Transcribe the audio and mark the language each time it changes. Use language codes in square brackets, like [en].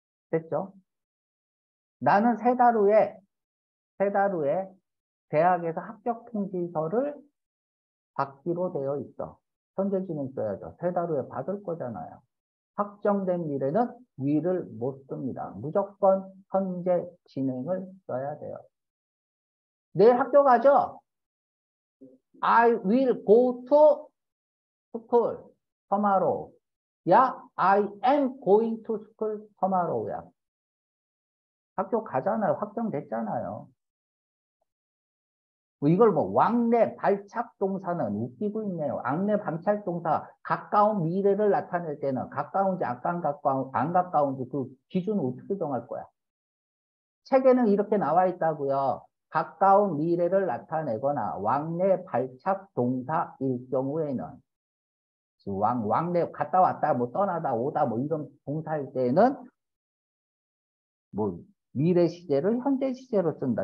[ko] 됐죠? 나는 세 달 후에 대학에서 합격 통지서를 받기로 되어 있어. 현재 진행 써야죠. 세달 후에 받을 거잖아요. 확정된 미래는 will을 못 씁니다. 무조건 현재 진행을 써야 돼요. 내일 학교 가죠? [en] I will go to school tomorrow. [ko] 야, [en] I am going to school tomorrow [ko] 야. 학교 가잖아요. 확정됐잖아요. 이걸 뭐 왕래 발착 동사는 웃기고 있네요. 왕래 발착 동사 가까운 미래를 나타낼 때는 가까운지 안 가까운지 그 기준을 어떻게 정할 거야? 책에는 이렇게 나와 있다고요. 가까운 미래를 나타내거나 왕래 발착 동사일 경우에는 왕래 갔다 왔다 뭐 떠나다 오다 뭐 이런 동사일 때에는 뭐 미래 시제를 현재 시제로 쓴다.